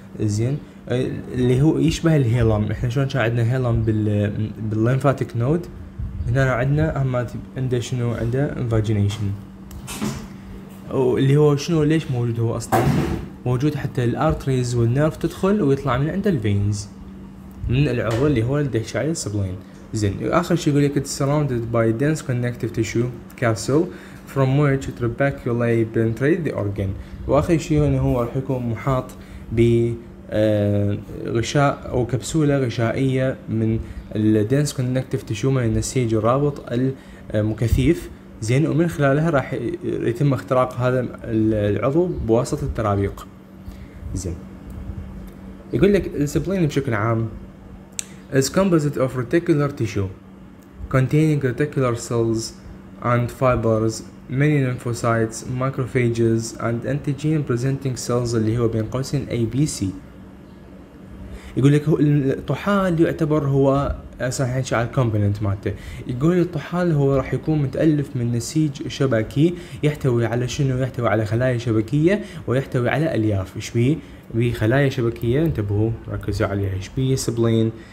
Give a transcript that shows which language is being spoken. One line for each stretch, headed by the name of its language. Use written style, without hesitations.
Arabic: زين، اللي هو يشبه الهيلم. احنا شلون كان عندنا هيلم بالليمفاتيك نود، هنا عندنا اما عنده شنو؟ عنده invagination. واللي هو شنو؟ ليش موجود هو اصلا؟ موجود حتى الارتريز والنيرف تدخل ويطلع من عند الفينز، من العضو اللي هو الدهشاي السبلين. زين، اخر شيء يقول لك
English: it's surrounded by dense connective tissue castle from which trabeculae penetrate the organ.
Arabic: واخر شيء انه هو راح يكون محاط ب غشاء او كبسوله غشائيه من الدنس كونكتيف تشو، من النسيج الرابط المكثيف. زين، ومن خلالها راح يتم اختراق هذا العضو بواسطه الترابيق. زين، يقول لك السبلين بشكل عام
English: is composite of reticular tissue containing reticular cells and fibers, many lymphocytes, macrophages and antigen presenting cells
Arabic: اللي هو بين قوسين
English: A B C.
Arabic: يقول لك الطحال يعتبر هو اساسا على الكومبوننت مالته. يقول الطحال هو راح يكون متالف من نسيج شبكي يحتوي على شنو؟ يحتوي على خلايا شبكيه ويحتوي على الياف. ايش بيه؟ بخلايا شبكيه، انتبهوا ركزوا عليها، ايش بيه؟ سبلين.